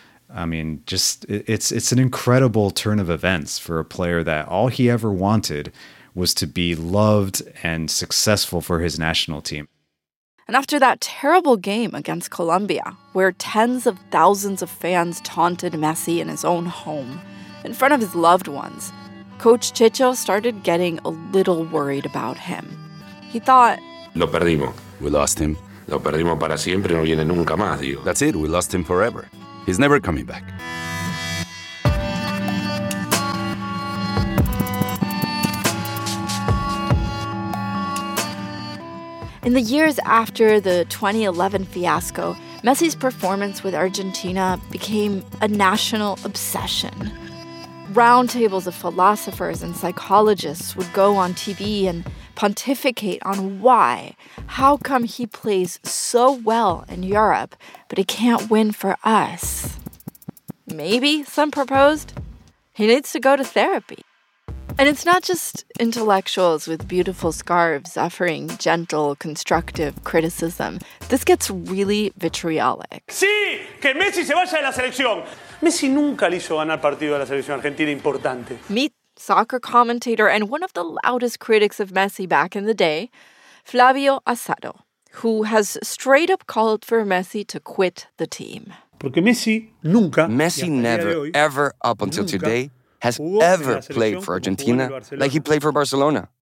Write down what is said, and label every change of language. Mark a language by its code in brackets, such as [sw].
[en] I mean, just it's an incredible turn of events for a player that all he ever wanted was to be loved and successful for his national team. And after that terrible game against Colombia, where tens of thousands of fans taunted Messi in his own home, in front of his loved ones, Coach Chicho started getting a little worried about him. He thought, [es] lo perdimos. [en] We lost him. [es] Lo perdimos para siempre, no viene nunca más, digo. [en] That's it, we lost him forever. He's never coming back. In the years after the 2011 fiasco, Messi's performance with Argentina became a national obsession. Roundtables of philosophers and psychologists would go on TV and pontificate on why. How come he plays so well in Europe, but he can't win for us? Maybe, some proposed, he needs to go to therapy. And it's not just intellectuals with beautiful scarves offering gentle, constructive criticism. This gets really vitriolic. [es] Sí, que Messi se vaya de la selección. Messi nunca le hizo ganar partido a la selección argentina importante. [en] Meet soccer commentator and one of the loudest critics of Messi back in the day, Flavio Asado, who has straight up called for Messi to quit the team. [es] Porque Messi nunca. [en] Messi never, ever, up until today, has ever played for Argentina like he played for Barcelona.